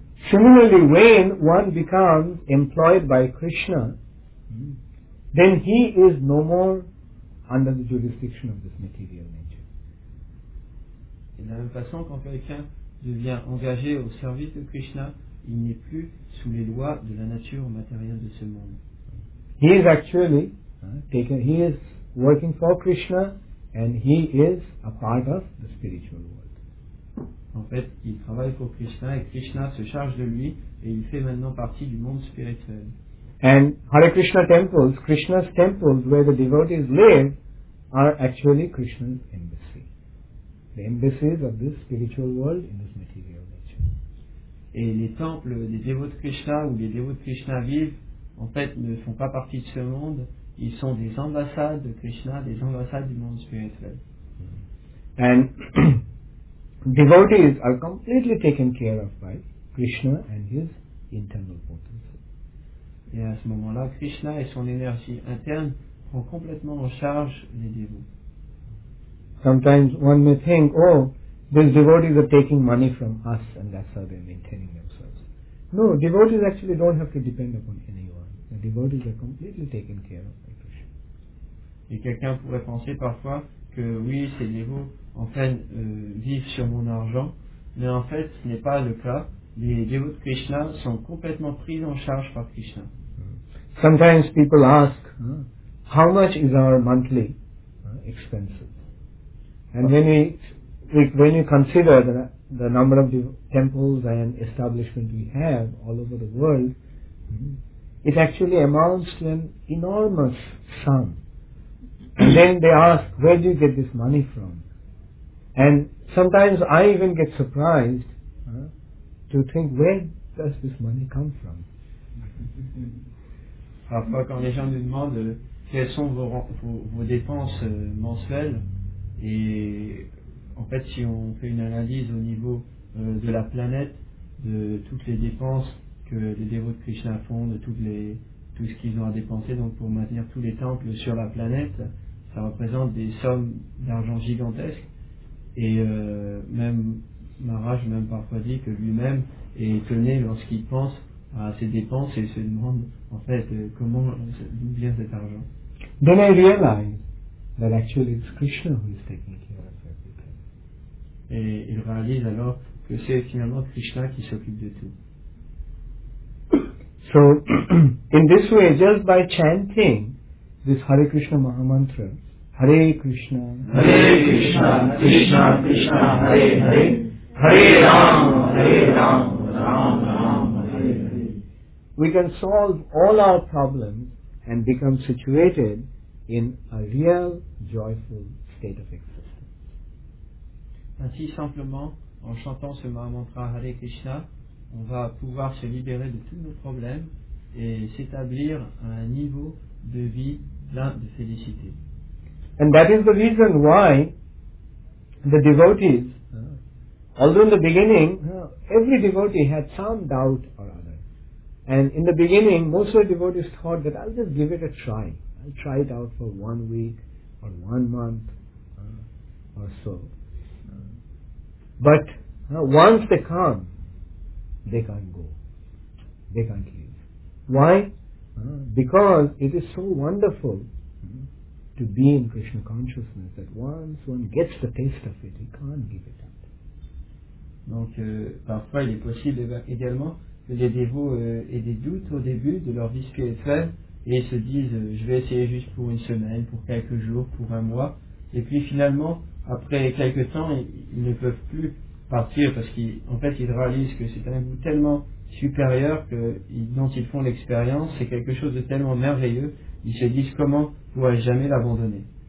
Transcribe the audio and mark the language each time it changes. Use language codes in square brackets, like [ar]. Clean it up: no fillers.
[en] Similarly, when one becomes employed by Krishna, then he is no more under the jurisdiction of this material nature. [fr] De la même façon, quand quelqu'un devient engagé au service de Krishna, il n'est plus sous les lois de la nature matérielle de ce monde. [en] He is actually taken. He is working for Krishna, and he is a part of the spiritual world. [fr] En fait, il travaille pour Krishna et Krishna se charge de lui et il fait maintenant partie du monde spirituel. [en] And Hare Krishna temples, Krishna's temples where the devotees live, are actually Krishna's embassy. The embassies of this spiritual world in this material nature. [fr] Et les temples des dévots de Krishna où les dévots de Krishna vivent, en fait, ne font pas partie de ce monde. Ils sont des ambassades de Krishna, des ambassades du monde spirituel. [en] And devotees are completely taken care of by Krishna and his internal potency. [fr] Et à ce moment-là, Krishna et son énergie interne prennent complètement en charge les dévots. [en] Sometimes one may think, oh, these devotees are taking money from us and that's how they're maintaining themselves. No, devotees actually don't have to depend upon anyone. The devotees are completely taken care of by Krishna. [fr] Et quelqu'un pourrait penser parfois que oui, ces dévots en fait vivent sur mon argent, mais en fait ce n'est pas le cas. Les dévots de Krishna sont complètement pris en charge par Krishna. [en] Sometimes people ask, how much is our monthly expenses? And when you consider the number of temples and establishments we have all over the world, it actually amounts to an enormous sum. And then they ask, where do you get this money from? And sometimes I even get surprised to think, where does this money come from? [fr] Parfois quand les gens nous demandent quelles sont vos dépenses mensuelles, et en fait si on fait une analyse au niveau de la planète, de toutes les dépenses que les dévots de Krishna font, de tout ce qu'ils ont à dépenser donc pour maintenir tous les temples sur la planète, ça représente des sommes d'argent gigantesques. Et même Maharaj même parfois dit que lui-même est étonné lorsqu'il pense à ses dépenses et se demande en fait comment d'où vient cet argent. [en] Then I realize that actually it's Krishna who is taking care of everything. [fr] Et il réalise alors que c'est finalement Krishna qui s'occupe de tout. [en] So in this way, just by chanting this Hare Krishna Mahamantra, Hare Krishna, [sa] Hare Krishna, Krishna Krishna, Hare Hare, Hare Ram, Hare Ram, Ram Ram, Hare Hare. [en] We can solve all our problems and become situated in a real joyful state of existence. [fr] Ainsi simplement, en chantant ce mantra Hare Krishna, on va pouvoir se libérer de tous nos problèmes et s'établir à un niveau de vie plein de félicité. [en] And that is the reason why the devotees, although in the beginning, every devotee had some doubt or other. And in the beginning, most of the devotees thought that I'll just give it a try. I'll try it out for 1 week or 1 month or so. But once they come, they can't go. They can't leave. Why? Because it is so wonderful to be in Krishna consciousness that once one gets the taste of it, he can't give it up. [fr] Donc, parfois, il est possible également que les dévots aient des doutes au début de leur vie spirituelle et se disent je vais essayer juste pour une semaine, pour quelques jours, pour un mois. Et puis finalement, après quelques temps, ils ne peuvent plus partir parce qu'en fait, ils réalisent que c'est un goût tellement supérieur que, dont ils font l'expérience, c'est quelque chose de tellement merveilleux, ils se disent comment pourrais-je jamais l'abandonner.